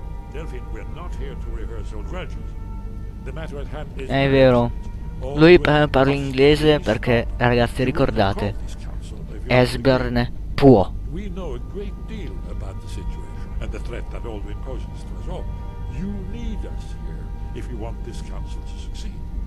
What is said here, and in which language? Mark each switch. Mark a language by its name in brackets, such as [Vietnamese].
[English] Delphine, we are not here to rehearse your grudges. The matter at hand is... [Italian] È vero. Lui parla inglese perché, ragazzi, ricordate, Esbern può. [English] We know a great deal about the situation and the threat that Alduin poses to us all. You need us here if you want this council to succeed.